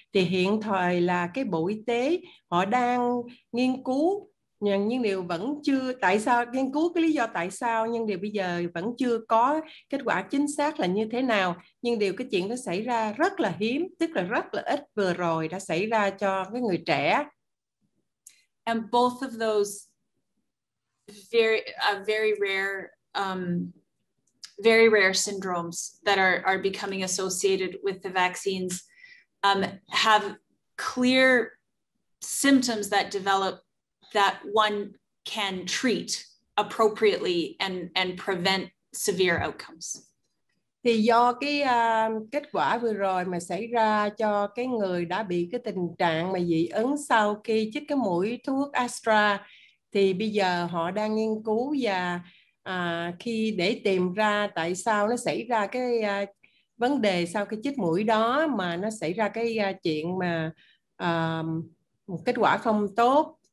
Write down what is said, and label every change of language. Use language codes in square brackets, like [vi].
[vi] Thì hiện thời là cái Bộ Y tế họ đang nghiên cứu, nhưng điều vẫn chưa, tại sao nghiên cứu cái lý do tại sao, nhưng điều bây giờ vẫn chưa có kết quả chính xác là như thế nào. Nhưng điều cái chuyện đó xảy ra rất là hiếm, tức là rất là ít, vừa rồi đã xảy ra cho cái người trẻ. [en] And both of those very rare syndromes that are becoming associated with the vaccines have clear symptoms that develop that one can treat appropriately and prevent severe outcomes. [vi] Thì do cái kết quả vừa rồi mà xảy ra cho cái người đã bị cái tình trạng mà dị ứng sau khi chích cái mũi thuốc Astra, thì bây giờ họ đang nghiên cứu và khi để tìm ra tại sao nó xảy ra cái vấn đề sau khi chích mũi đó mà nó xảy ra cái chuyện mà kết quả không tốt.